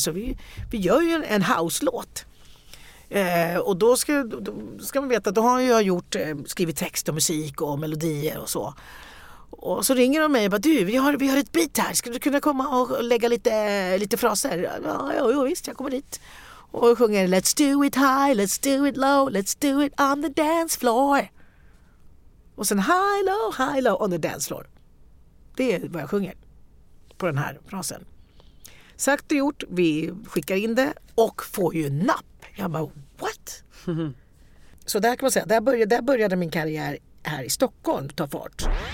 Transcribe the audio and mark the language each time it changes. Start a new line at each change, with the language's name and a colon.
Swedish: Så vi gör ju en house-låt. Och då ska man veta att då har jag skrivit text och musik och melodier och så. Och så ringer de mig och bara, du, vi har ett beat här, ska du kunna komma och lägga lite fraser? Ja, visst, jag kommer dit. Och sjunger,
English: let's do it high, let's do it low, let's do it on the dance floor.
Swedish: Och sen
English: high, low on the dance floor.
Swedish: Det är vad jag sjunger på den här frasen. Sagt och gjort, vi skickar in det och får ju napp. Jag bara, what? Så där kan man säga, där började min karriär här i Stockholm ta fart.